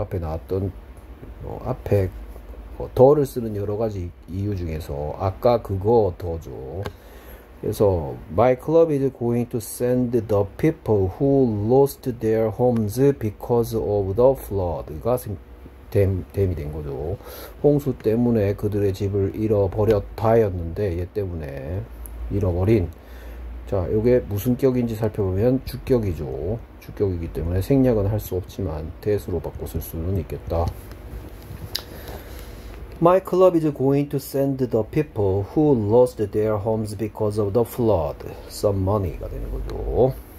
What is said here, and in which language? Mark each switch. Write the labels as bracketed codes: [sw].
[ko] 앞에 나왔던 앞에 the를 쓰는 여러 가지 이유 중에서 아까 그거 더죠. 그래서 [en] My club is going to send the people who lost their homes because of the flood가 [ko] 됨이 된 거죠. 홍수 때문에 그들의 집을 잃어버렸다였는데 얘 때문에 잃어버린. 자, 이게 무슨 격인지 살펴보면 주격이죠. 주격이기 때문에 생략은 할수 없지만 대수로 바꿔 쓸 수는 있겠다. [en] My club is going to send the people who lost their homes because of the flood some money가 [ko] 되는 거죠.